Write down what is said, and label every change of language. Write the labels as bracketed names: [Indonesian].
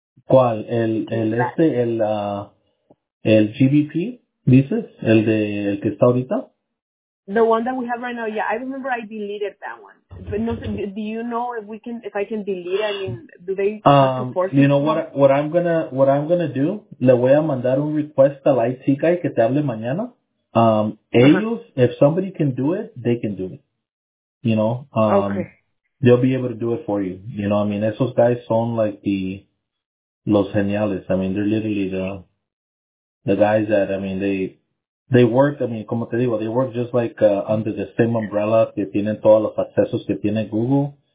[Spanish] ¿Cuál? El GBP, dices? El que está ahorita? [English] The one that we have right now, yeah. I remember I deleted that one. But no, do you know if I can delete it? I mean, do they support it? You know what I'm gonna do? [Spanish] Le voy a mandar un request al IT guy que te hable mañana. Ellos, [English] if somebody can do it, they can do it. You know? Okay. They'll be able to do it for you. You know, I mean, [Spanish] esos guys son [English] like the Los Geniales. I mean, they're literally the guys that, I mean, they work, I mean, [Spanish] como te digo, [English] they work just like under the same umbrella [Spanish] que tienen todos los accesos que tiene Google.